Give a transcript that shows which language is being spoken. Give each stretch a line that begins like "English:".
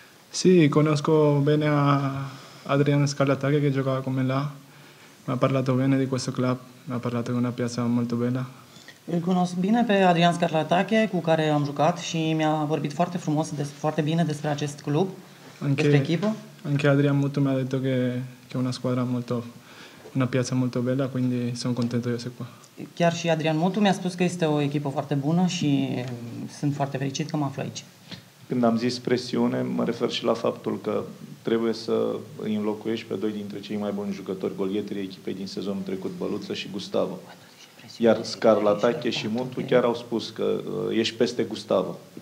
Italian: Sì, conosco bene Adrian Scarlatacchia che giocava con me là. Mi ha parlato bene di questo club, mi ha parlato di una piazza molto bella.
Romanian: Îl cunosc bine pe Adrian Scarlatacchia cu care am jucat și mi-a vorbit foarte frumos, foarte bine despre acest club, despre echipă.
Italian: Anche Adrian Mutu mi ha detto che è una squadra molto, una piazza molto bella, quindi sono contento di essere qua.
Romanian: Chiar și Adrian Mutu mi-a spus că este o echipă foarte bună și sunt foarte fericit că mă aflu aici. Când am zis presiune, mă refer și la faptul că trebuie să îi înlocuiești pe doi dintre cei mai buni jucători golieteri echipei din sezonul trecut, Băluță și Gustavo. Iar Scarlatache și Mutu chiar au spus că ești peste Gustavo.